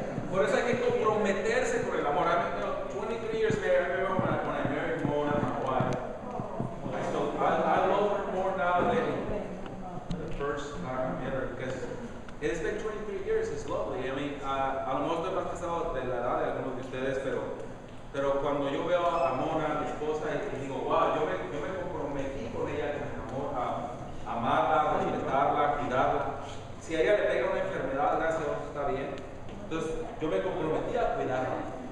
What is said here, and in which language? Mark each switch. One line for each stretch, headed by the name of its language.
Spanish: Por eso hay que comprometerse por el amor.
English: I've been 23 years married. I remember when I married Mona, my wife. So I love her more now than the first time I met her. Because it's been 23 years. It's lovely. I mean,
Spanish: a lo mejor estoy más casado de la edad de algunos de ustedes, pero cuando yo veo a Mona, mi esposa, y digo, wow, yo me comprometí con ella con el amor a amarla, respetarla, cuidarla. Si a ella le pega una enfermedad, gracias a Dios está bien. Entonces, yo me comprometí a cuidarla.